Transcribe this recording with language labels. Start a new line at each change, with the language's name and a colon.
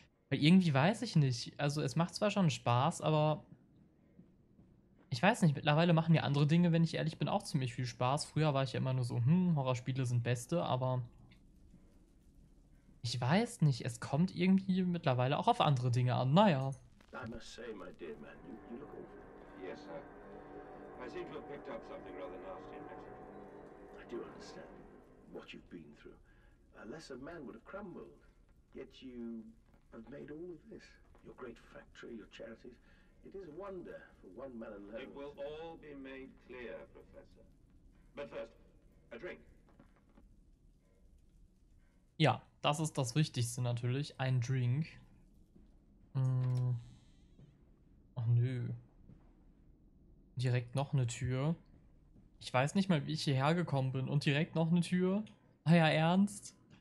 German: Weil irgendwie weiß ich nicht. Also es macht zwar schon Spaß, aber ich weiß nicht, mittlerweile machen mir andere Dinge, wenn ich ehrlich bin, auch ziemlich viel Spaß. Früher war ich ja immer nur so, Horrorspiele sind beste, aber ich weiß nicht, es kommt irgendwie mittlerweile auch auf andere Dinge an. Naja.
English: I must say, my dear man, you look awful. Yes, sir. I seem to have picked up something rather nasty in Mexico. I do understand what you've been through. A lesser man would have crumbled. Yet you have made all of this. Your great factory, your charities. It is a wonder for one man alone. It will all be made clear, Professor. But first, a drink.
German: Ja, das ist das Wichtigste natürlich. Ein Drink. Ach nö. Direkt noch eine Tür. Ich weiß nicht mal, wie ich hierher gekommen bin. Und direkt noch eine Tür? Naja, ernst?